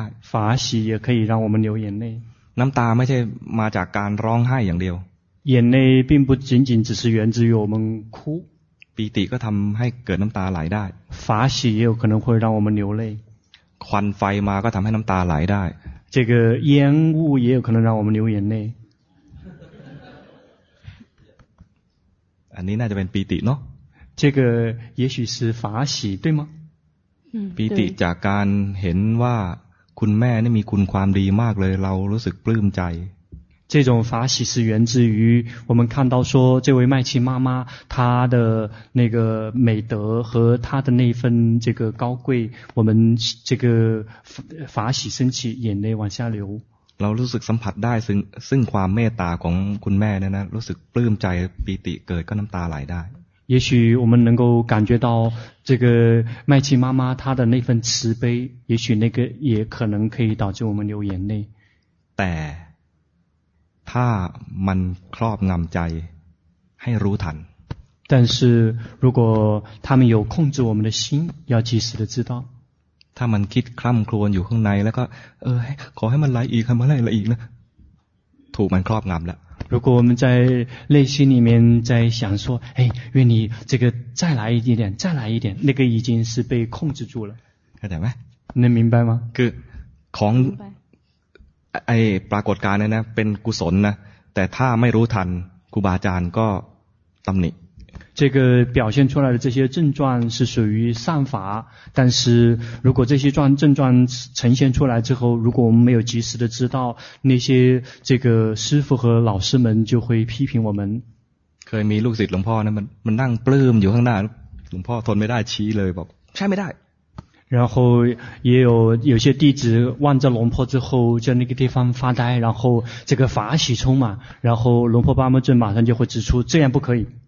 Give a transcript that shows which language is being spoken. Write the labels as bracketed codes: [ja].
[zh] 法喜也可以让我们流眼泪 [th] น้ำตาไม่ใช่มาจากการร้องไห้อย่างเดียว [zh] 眼泪并不仅仅只是源自于我们哭 [th] ปีติก็ทำให้เกิดน้ำตาไหลได้ [zh] 法喜也有可能会让我们流泪 [th] ควันไฟมาก็ทำให้น้ำตาไหลได้ [zh] 这个烟雾也有可能让我们流眼泪。 [th] อันนี้น่าจะเป็นปีติเนาะ [zh] 这个也许是法喜对吗 [th] ปีติจากการเห็นว่าคุณแม่นี่มีคุณความดีมากเลยเรารู้สึกปลื้มใจ [zh] 这种法喜是源自于我们看到说这位麦琪妈妈她的那个美德和她的那份这个高贵我们这个法喜升起眼泪往下流 [th] เรารู้สึกสัมผัสได้ซึ่งความเมตตาของคุณแม่นะรู้สึกปลื้มใจปีติเกิดก็น้ำตาไหลได้ [zh] 也许我们能够感觉到这个麦琪妈妈她的那份慈悲，也许那个也可能可以导致我们流眼泪。 [th] แต่ถ้ามันครอบงำใจให้รู้ทัน [zh] 但是如果他们有控制我们的心，要及时的知道。 [th] ถ้ามันคิดคร่ำครวญอยู่ข้างในแล้วก็เออขอให้มันไหลอีกให้มันไหลอีกนะถูกมันครอบงำแล้ว [zh] 如果我们在内心里面在想说，哎，愿你这个再来一点点，再来一点，那个已经是被控制住了。明白吗？能明白吗？ [th] คือของไอ้ปรากฏการณ์เนี่ยนะเป็นกุศลนะแต่ถ้าไม่รู้ทันครูบาอาจารย์ก็ตำหนิ [zh] 这个表现出来的这些症状是属于善法，但是如果这些症状呈现出来之后，如果我们没有及时的知道，那些这个师父和老师们就会批评我们。 [th] เคยมีลูกศิษย์หลวงพ่อนะมันนั่งปลื้มอยู่ข้างหน้าหลวงพ่อทนไม่ได้ชี้เลยบอกใช่ไม่ได้ [zh] 然后也有些弟子望着龙婆之后在那个地方发呆，然后这个法喜充满，然后龙婆巴木正马上就会指出这样不可以。